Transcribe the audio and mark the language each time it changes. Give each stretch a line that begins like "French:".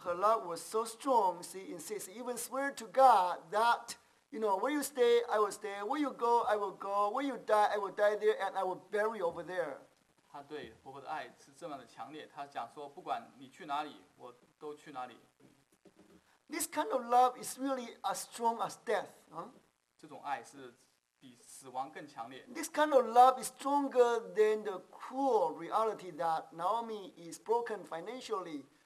English: Her love was so strong, she insists, even swear to God that, you know, where you stay, I will stay, where you go, I will go, where you die, I will die there, and I will bury over there.
Chinese: 她对婆婆的爱是这么的强烈，她讲说，不管你去哪里，我都去哪里。
English: This kind of love is really as strong as death, huh?
Chinese: 这种爱是比死亡更强烈。
English: This kind of love is stronger than the cruel reality that Naomi is broken financially.